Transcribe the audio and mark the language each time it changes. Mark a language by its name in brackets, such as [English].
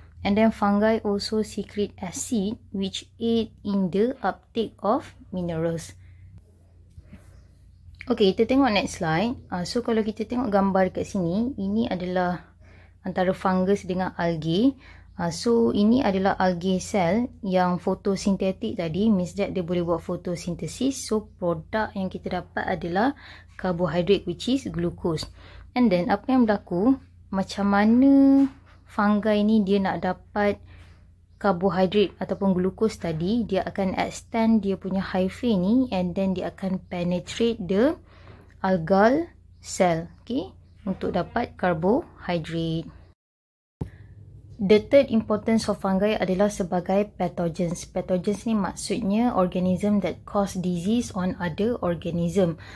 [English] And then fungi also secrete acid which aid in the uptake of minerals. [Malay] Okay, kita tengok [English] next slide. [Malay] So kalau kita tengok gambar dekat sini, ini adalah antara fungus dengan algae. So ini adalah algae cell yang fotosintetik tadi, [English] means that [Malay] dia boleh buat photosynthesis. So produk yang kita dapat adalah carbohydrate [English] which is glucose. And then [Malay] apa yang berlaku, macam mana fungi ni dia nak dapat carbohydrate ataupun glukos tadi, dia akan extend dia punya hyphae ni [English] and then [Malay] dia akan [English] penetrate the algal cell, [Malay] okay, untuk dapat carbohydrate. [English] The third importance of fungi [Malay] adalah sebagai [English] pathogens. Pathogens [Malay] ni maksudnya [English] organism that cause disease on other organism.